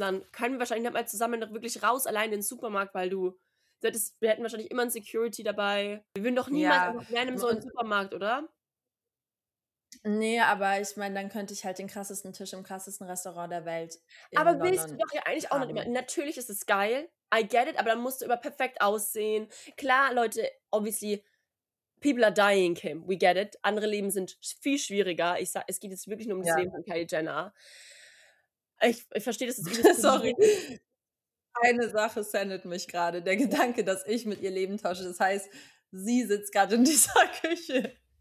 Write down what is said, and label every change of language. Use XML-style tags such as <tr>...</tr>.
<de>Dann können wir wahrscheinlich nicht mal zusammen noch wirklich raus, allein in den Supermarkt, weil wir hätten wahrscheinlich immer ein Security dabei. Wir würden doch niemals random so in den Supermarkt, oder? Nee, aber ich meine, dann könnte ich halt den krassesten Tisch im krassesten Restaurant der Welt in aber London willst du doch ja eigentlich haben. Auch noch immer. Natürlich ist es geil,</de> <en>I get it,</en> <de>aber dann musst du immer perfekt aussehen. Klar, Leute,</de> <en>obviously, people are dying, Kim, we get it.</en> <de>Andere Leben sind viel schwieriger. Ich sag, es geht jetzt wirklich nur um das Leben von Kylie Jenner. Ich verstehe das jetzt nicht. Sorry. Eine Sache sendet mich gerade. Der Gedanke, dass ich mit ihr Leben tausche. Das heißt, sie sitzt gerade in dieser Küche.</de>